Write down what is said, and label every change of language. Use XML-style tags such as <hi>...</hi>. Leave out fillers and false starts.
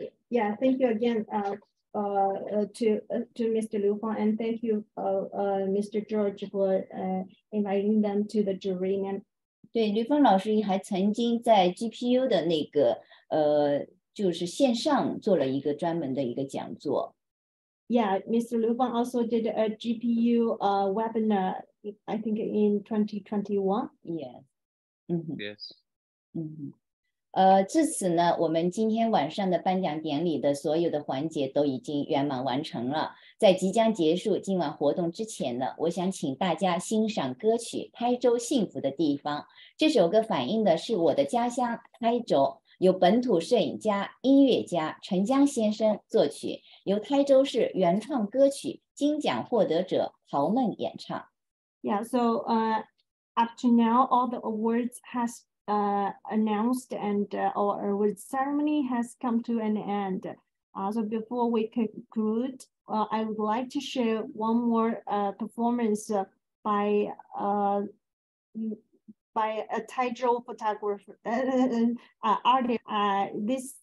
<en>Yeah, thank you again, to Mr. Liu Fang, and thank you, Mr. Djordje for inviting them to the jury. And</en> <zh>对，刘芳老师还曾经在 GPU 的那个就是线上做了一个专门的一个讲座。</zh> <en>Yeah, Mr. Liu Fang also did a GPU webinar, I think in 2021. Yeah. Mm-hmm. Yes. Mm-hmm.</en> <zh>至此呢，我们今天晚上的颁奖典礼的所有的环节都已经圆满完成了。在即将结束今晚活动之前呢，我想请大家欣赏歌曲《台州幸福的地方》。这首歌反映的是我的家乡台州。由本土摄影家、音乐家陈江先生作曲，由台州市原创歌曲金奖获得者陶梦演唱。</zh> <en>Yeah, so up to now, all the awards has announced and all awards ceremony has come to an end. So before we conclude, I would like to share one more performance by a Taizhou photographer, artist.</en>